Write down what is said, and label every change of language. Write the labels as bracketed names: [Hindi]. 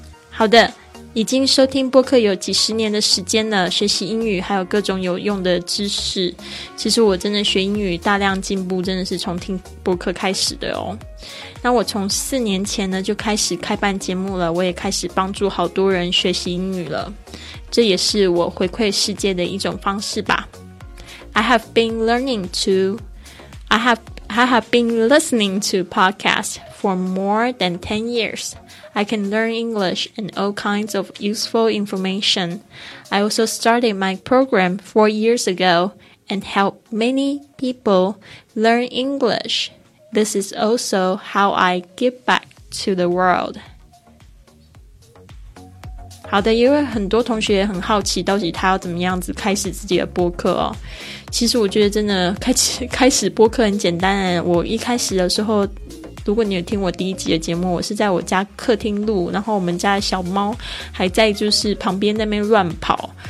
[Chinese] 好的，已经收听播客有几十年的时间了，学习英语还有各种有用的知识，其实我真的学英语大量进步真的是从听播客开始的哦。那我从4年前呢就开始开办节目了，我也开始帮助好多人学习英语了，这也是我回馈世界的一种方式吧。 [English] I have been listening to podcasts for more than 10 years. I can learn English and all kinds of useful information. I also started my program 4 years ago and helped many people learn English. This is also how I give back to the world. [Chinese] 好的，因为很多同学也很好奇到底他要怎么样子开始自己的播客哦。其实我觉得真的开始播客很简单，我一开始的时候，如果你有听我第一集的节目，我是在我家客厅录，然后我们家的小猫还在就是旁边那边乱跑，